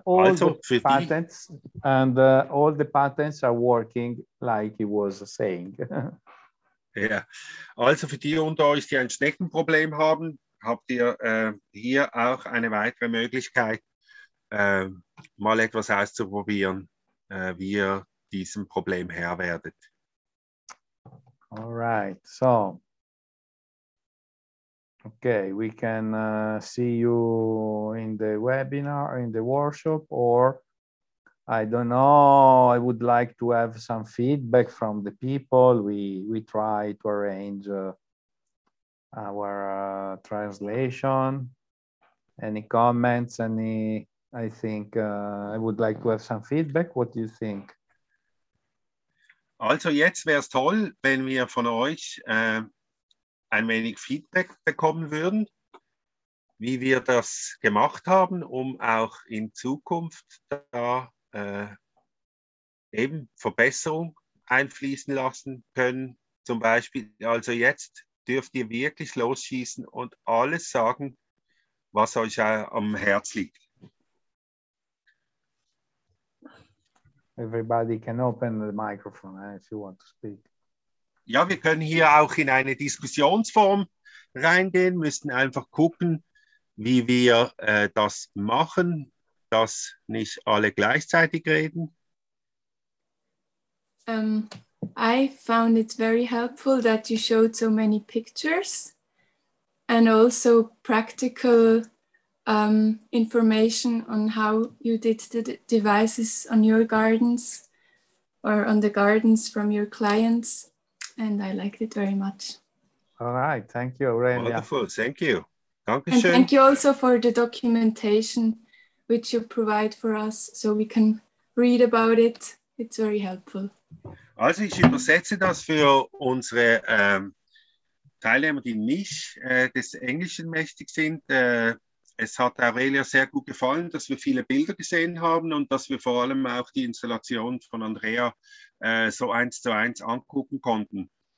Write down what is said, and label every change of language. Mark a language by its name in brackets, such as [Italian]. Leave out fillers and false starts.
[English] All the patents are working like he was saying. [German] Ja, also für die unter euch, die ein Schneckenproblem haben, habt ihr hier auch eine weitere Möglichkeit, mal etwas auszuprobieren, wie ihr diesem Problem Herr werdet. [English] All right, so, okay, we can see you in the webinar, in the workshop, or I don't know, I would like to have some feedback from the people. We try to arrange our translation. Any comments, I would like to have some feedback. What do you think? [German] Also jetzt wäre es toll, wenn wir von euch ein wenig Feedback bekommen würden, wie wir das gemacht haben, um auch in Zukunft da eben Verbesserung einfließen lassen können. Zum Beispiel, also jetzt dürft ihr wirklich losschießen und alles sagen, was euch am Herz liegt. [English] Everybody can open the microphone if you want to speak. [German] Ja, wir können hier auch in eine Diskussionsform reingehen, müssen einfach gucken, wie wir das machen, dass nicht alle gleichzeitig reden. [English] I found it very helpful that you showed so many pictures and also practical information on how you did the devices on your gardens or on the gardens from your clients. And I liked it very much. All right, thank you, Aurelia. Wonderful, thank you. [German] Dankeschön. [English] And thank you also for the documentation which you provide for us, so we can read about it. It's very helpful. [German] Also ich übersetze das für unsere Teilnehmer, die nicht des Englischen mächtig sind. Es hat Aurelia sehr gut gefallen, dass wir viele Bilder gesehen haben und dass wir vor allem auch die Installation von Andrea so eins zu eins angucken konnten.